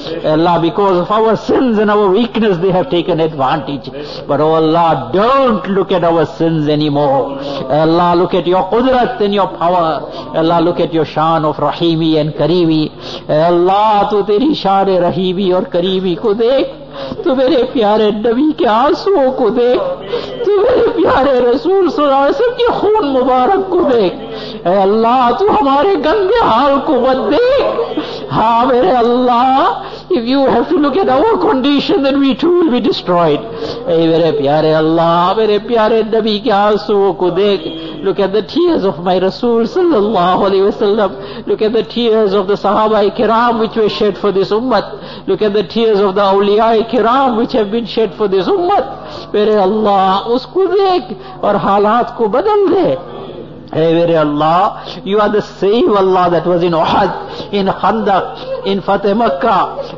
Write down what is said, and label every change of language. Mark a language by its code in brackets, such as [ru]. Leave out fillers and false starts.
[en] Ey Allah, because of our sins and our weakness they have taken advantage. But oh Allah, don't look at our sins anymore. Ey Allah, look at your qudrat and your power. Ey Allah, look at your shan of rahimi and kareemi. [ur] Ey Allah, tu teri shan e rahimi aur kareemi ko dekh. تو میرے پیارے نبی کے آنسوں کو دیکھ, تو میرے پیارے رسول صلی اللہ علیہ وسلم کی خون مبارک کو دیکھ. اے اللہ, تو ہمارے گندے حال کو مت دیکھ. ہاں میرے اللہ, [en] if you have to look at our condition, then we too will be destroyed. [ur] اے میرے پیارے اللہ, میرے پیارے نبی کے آنسوں کو دیکھ. [en] Look at the tears of my Rasul sallallahu alayhi wa sallam. Look at the tears of the Sahaba-i-Kiram which were shed for this ummat. Look at the tears of the Awliya-i-Kiram which have been shed for this ummat. [ur] Mere Allah, usko dekh aur halat ko badal de. [en] Hey, [ur] mere Allah, [en] you are the same Allah that was in Uhud, in Khandaq, in Fateh Makkah.